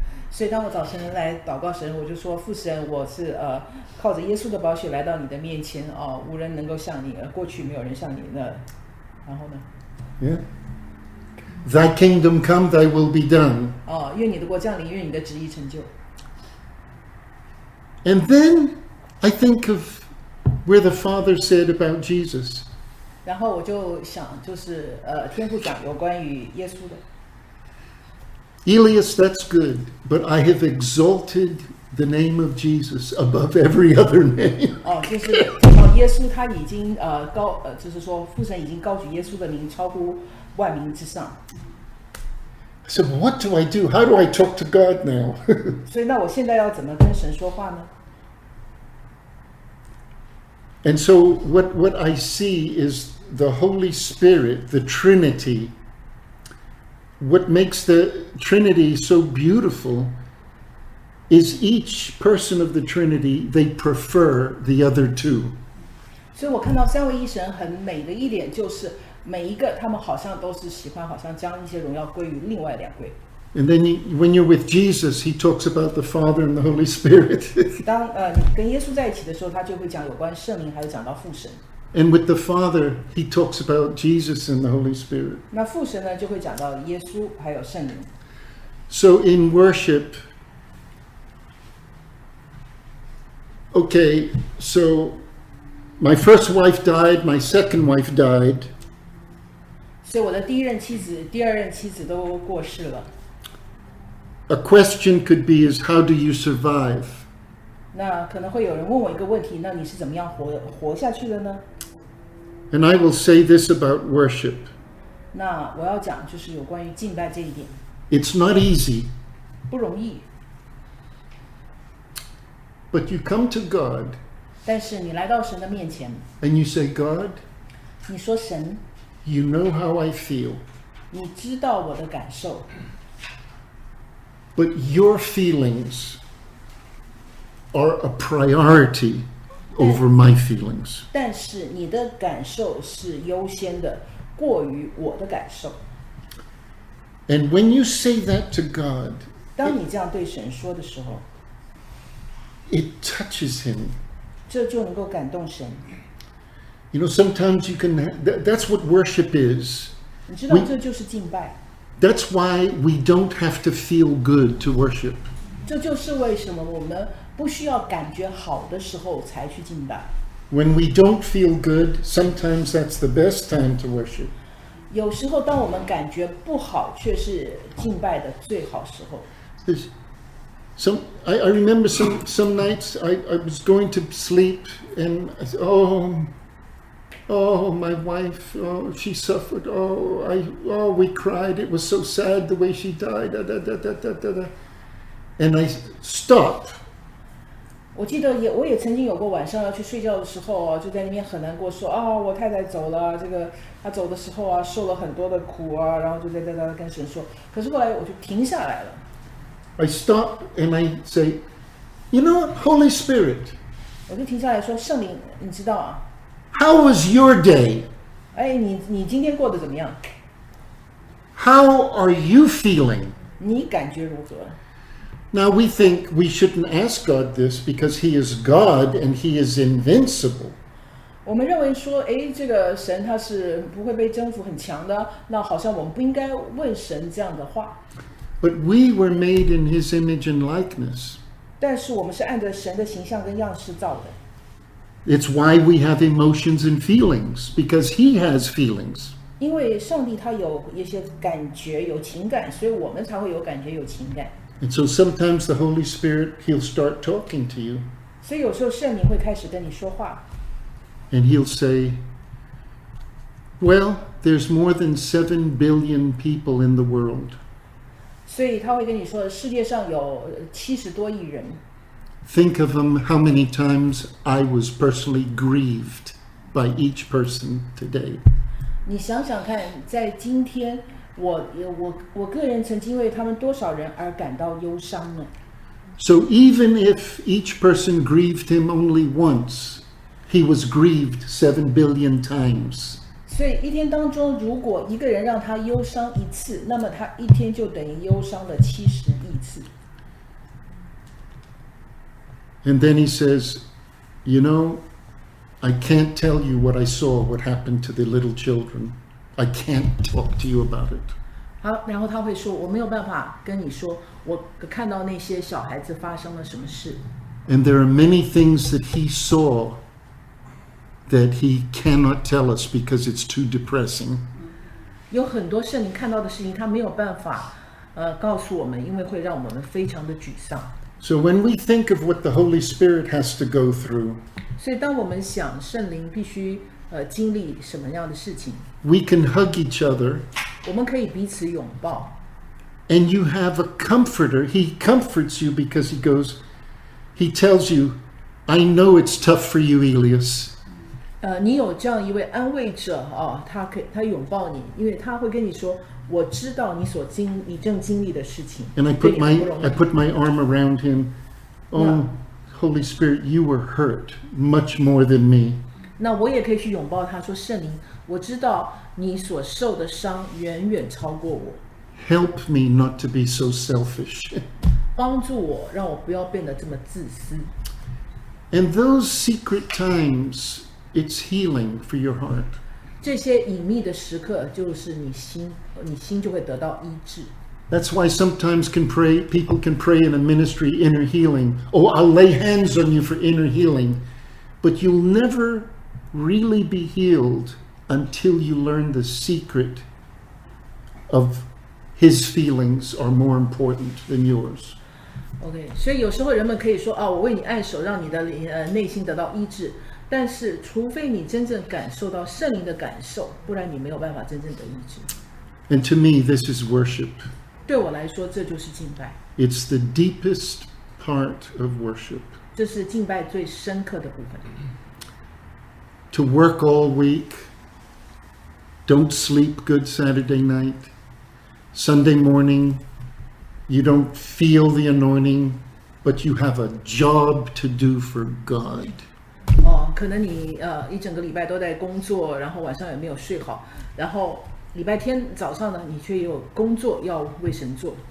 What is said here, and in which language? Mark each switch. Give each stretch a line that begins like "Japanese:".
Chinese: 所以当我早晨来祷告神，我就说父神，我是靠着耶稣的宝血来到你的面前啊，无人能够像你，过去没有人像你的。然后呢
English: ？Yeah. Thy kingdom come, thy will be done.
Chinese: 愿你的国降临，愿你的旨意成就。
English: And then I think of where the Father said about Jesus.
Chinese: 然后我就想就是天父讲有关于耶稣的。
English: Elias, that's good, but I have exalted the name of Jesus above every other name.
Chinese: 就是耶稣他已经高就是说父神已经高举耶稣的名超乎万名之上。
English: I said, what do I do? How do I talk to God now?
Chinese: 所以那我现在要怎么跟神说话呢？
English: And so what I see is the Holy Spirit, the Trinity, what makes the Trinity so beautiful is each person of the Trinity, they prefer the other two.
Chinese: 所以我看到三位一神很美的一点就是每一个他们好像都是喜欢好像将一些荣耀归于另外两位。
English: And then when you're with Jesus, he talks about the Father and the Holy Spirit.
Chinese: 当你跟耶稣在一起的时候，他就会讲有关圣灵，还有讲到父神。
English: And with the Father, he talks about Jesus and the Holy Spirit.
Chinese: 那父神呢，就会讲到耶稣还有圣灵。
English: So in worship, okay, so my first wife died, my second wife died.
Chinese: 所以我的第一任妻子、第二任妻子都过世了。
English: A question could be is, how do you survive?
Chinese: 那可能会有人问我一个问题，那你是怎么样活下去的呢？
English: And I will say this about worship.
Chinese: 那我要讲就是有关于敬拜这一点。
English: It's not easy.
Chinese: 不容易。
English: But you come to God.
Chinese: 但是你来到神的面前。
English: And you say, God.
Chinese: 你说神。
English: You know how I feel.
Chinese: 你知道我的感受。
English: But your feelings are a priority over my feelings.
Chinese: 但是你的感受是优先的，过于我的感受。
English: And when you say that to God,
Chinese: 当你这样对神说的时候，
English: it touches him.
Chinese: 这就能够感动神。
English: You know, sometimes you can, that's what worship is.
Chinese: 你知道这就是敬拜。
English: That's why we don't have to feel good to worship.
Chinese: 这就是为什么我们不需要感觉好的时候才去敬拜。
English: When we don't feel good, sometimes that's the best time to worship.
Chinese: 有时候当我们感觉不好，却是敬拜的最好时候。
English: I remember some nights I was going to sleep and I said, Oh, my wife, oh, she suffered. We cried. It was so sad the way she died. Da, da, da, da, da, da. And I stopped.
Chinese: 我记得也我也曾经有过晚上要去睡觉的时候、啊、就在那边很难过说啊、哦、我太太走了这个她走的时候啊受了很多的苦啊然后就在那跟神说可是后来我就停下来了。
English: I stop and I say, you know, Holy Spirit.
Chinese: 我就停下来说圣灵你知道啊。
English: How was your day?
Chinese: 哎，你今天过得怎么样？
English: How are you feeling?
Chinese: 你感觉如何？
English: Now we think we shouldn't ask God this because he is God and he is invincible.
Chinese: 我们认为说，哎，这个神他是不会被征服很强的，那好像我们不应该问神这样的话。
English: But we were made in his image and likeness.
Chinese: 但是我们是按着神的形象跟样式造的。
English: It's why we have emotions and feelings, because he has feelings.
Chinese: 因为上帝他有一些感觉，有情感，所以我们才会有感觉，有情感。
English: And so sometimes the Holy Spirit, he'll start talking to you.
Chinese: 所以有时候圣灵会开始跟你说话。
English: And he'll say, well, there's more than 7 billion people in the world.
Chinese: 所以他会跟你说，世界上有70多亿人。
English: Think of them, how many times I was personally grieved by each person today.
Chinese: 你想想看，在今天，我个人曾经为他们多少人而感到忧伤呢？
English: So even if each person grieved him only once, he was grieved 7 billion times.
Chinese: 所以一天当中，如果一个人让他忧伤一次，那么他一天就等于忧伤了70亿次。
English: And then he says, you know, I can't tell you what I saw, what happened to the little children. I can't talk to you about it.
Chinese: 好，然后他会说，我没有办法跟你说，我看到那些小孩子发生了什么事。
English: And there are many things that he saw that he cannot tell us because it's too depressing.
Chinese: 有很多圣灵看到的事情，他没有办法，告诉我们，因为会让我们非常的沮丧。
English: So when we think of what the Holy Spirit has to go through,
Chinese: 所以当我们想圣灵必须经历什么样的事情，
English: we can hug each other,
Chinese: 我们可以彼此拥抱，
English: and you have a comforter. He comforts you because he tells you, I know it's tough for you, Elias.
Chinese: 你有这样一位安慰者啊，他拥抱你，因为他会跟你说。我知道你所经你正经历的事情。
English: And I put my arm around him. Oh, Holy Spirit, you were hurt much more than me.
Chinese: 那我也可以去拥抱他说圣灵，我知道你所受的伤远远超过我。
English: Help me not to be so selfish.
Chinese: 帮助我，让我不要变得这么自私。
English: And those secret times, It's healing for your heart.
Chinese: 这些隐秘的时刻就是你心，你心就会得到医治。
English: That's why sometimes can pray, people can pray in a ministry inner healing. Oh, I'll lay hands on you for inner healing. But you'll never really be healed until you learn the secret of his feelings are more important than yours.
Chinese: Okay, 所以有时候人们可以说，啊，我为你按手，让你的内心得到医治。但是除非你真正感受到圣灵的感受，不然你没有办法真正得医治。
English: And to me, this is worship.
Chinese: 对我来说，这就是敬拜。
English: It's the deepest part of worship.
Chinese: 这是敬拜最深刻的部分。
English: To work all week, don't sleep good Saturday night, Sunday morning, you don't feel the anointing, but you have a job to do for God.
Chinese: 哦，可能你一整个礼拜都在工作，然后晚上也没有睡好，然后。礼拜天早上呢，你却有工作要为神做。